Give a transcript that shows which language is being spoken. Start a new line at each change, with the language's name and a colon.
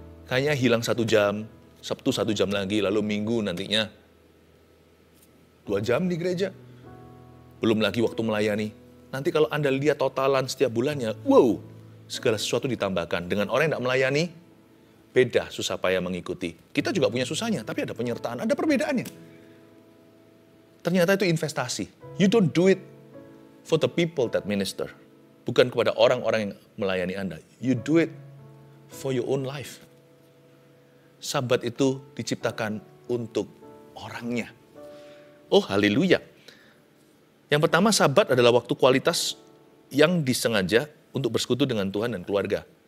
Indonesian: Kayaknya hilang 1 jam, Sabtu 1 jam lagi, lalu Minggu nantinya 2 jam di gereja. Belum lagi waktu melayani. Nanti kalau Anda lihat totalan setiap bulannya, wow, segala sesuatu ditambahkan. Dengan orang yang gak melayani, beda susah payah mengikuti. Kita juga punya susahnya, tapi ada penyertaan, ada perbedaannya. Ternyata itu investasi.
English: You don't do it for the people that minister.
Indonesian: Bukan kepada orang-orang yang melayani Anda.
English: You do it for your own life.
Indonesian: Sabat itu diciptakan untuk orangnya. Oh, haleluya. Yang pertama, sabat adalah waktu kualitas yang disengaja untuk bersekutu dengan Tuhan dan keluarga.